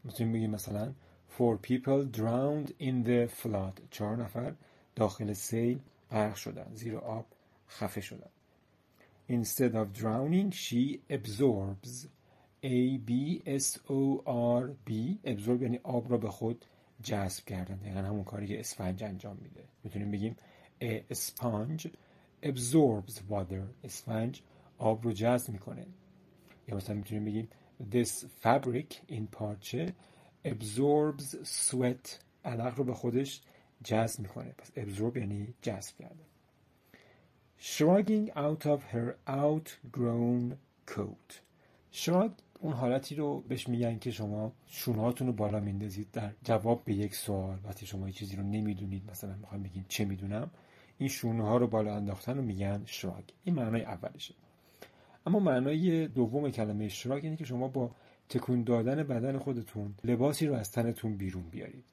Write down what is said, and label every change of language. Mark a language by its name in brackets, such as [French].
[Persian] میتونیم بگیم مثلا [English] four people drowned in the flood. [Persian] چهار نفر داخل سیل غرق شدن، زیر آب خفه شدن. [English] instead of drowning she absorbs. [Persian] A-B-S-O-R-B absorb یعنی آب را به خود جذب کردن، دقیقا همون کاری که اسفنج انجام میده. میتونیم بگیم [English] a sponge absorbs water. [Persian] اسفنج آب رو جذب میکنه. یا مثلا میتونیم بگیم [English] this fabric [Persian] این پارچه [English] absorbs sweat. [Persian] علق رو به خودش جذب میکنه. پس absorb یعنی جذب کرده. [English] shrugging out of her outgrown coat. [Persian] shrug اون حالتی رو بهش میگن که شما شونهاتون رو بالا میندازید در جواب به یک سوال. وقتی شما یه چیزی رو نمیدونید، مثلا میخوام بگین چه میدونم، این شونه ها رو بالا انداختن رو میگن shrug. این معنای اولشه. اما معنای دوم کلمه اشتراک اینه که شما با تکون دادن بدن خودتون لباسی رو از تنتون بیرون بیارید.